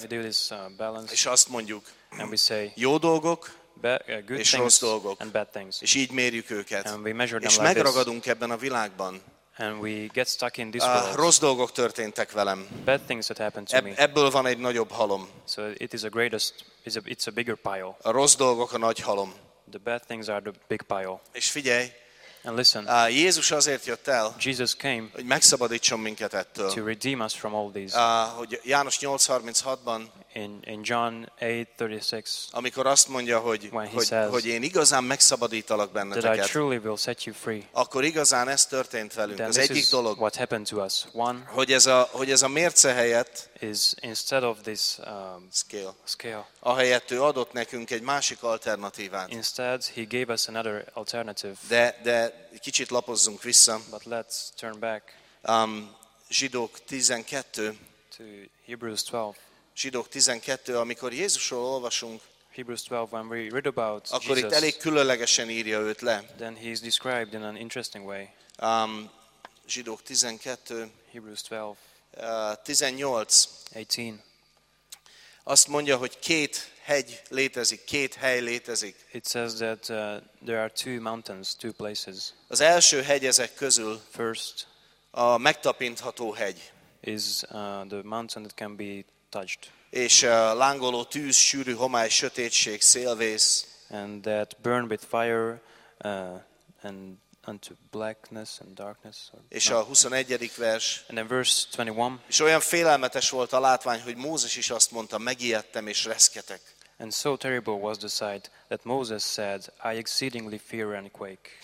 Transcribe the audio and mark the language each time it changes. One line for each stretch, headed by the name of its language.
English: we do this, balance,
Hungarian: és azt mondjuk,
English: and we say,
Hungarian: jó dolgok,
English: good
Hungarian: és rossz dolgok,
English: and bad things,
Hungarian: és így mérjük őket,
English: and we measure them
Hungarian: és
English: like
Hungarian: megragadunk
English: this
Hungarian: ebben a világban.
English: And we get stuck in this
Hungarian: rossz dolgok történtek velem.
English: Bad things that happened to me.
Hungarian: Ebből van egy nagyobb halom.
English: So it is a greatest, it's a bigger pile.
Hungarian: A rossz dolgok a nagy halom.
English: The bad things are the big pile.
Hungarian: És figyelj,
English: and listen,
Hungarian: Jézus azért jött el,
English: Jesus came,
Hungarian: hogy megszabadítson minket ettől.
English: To redeem us from all these.
Hungarian: Hogy János 8:36-ban,
English: in John 8:36,
Hungarian: amikor azt mondja, hogy én igazán megszabadítalak benneteket,
English: that I truly will set you free,
Hungarian: akkor igazán ez történt velünk. Az egyik dolog,
English: what happened to us. One,
Hungarian: hogy ez a mérce helyett,
English: is instead of this
Hungarian: scale, ahelyett ő adott nekünk egy másik alternatívát.
English: Instead, he gave us another alternative.
Hungarian: De kicsit lapozzunk vissza.
English: But let's turn back.
Hungarian: Zsidók 12.
English: To Hebrews 12.
Hungarian: Zsidók 12, amikor Jézusról olvasunk,
English: Hebrews 12, when we read about
Hungarian: akkor
English: Jesus,
Hungarian: itt elég különlegesen írja őt le.
English: Then he is described in an interesting way.
Hungarian: Zsidók 12,
English: Hebrews 12, 18. 18.
Hungarian: Azt mondja, hogy két hegy létezik, két hely létezik.
English: It says that there are two mountains, two places.
Hungarian: Az első hegy ezek közül,
English: first,
Hungarian: a megtapintható hegy,
English: is the mountain that can be touched.
Hungarian: És lángoló tűz, sűrű homály, sötétség, szélvész,
English: and that burn with fire and unto blackness and darkness.
Hungarian: És a 21. vers.
English: And then verse 21.
Hungarian: És olyan félelmetes volt a látvány, hogy Mózes is azt mondta, megijedtem és reszketek.
English: And so terrible was the sight that Moses said, I exceedingly fear and quake.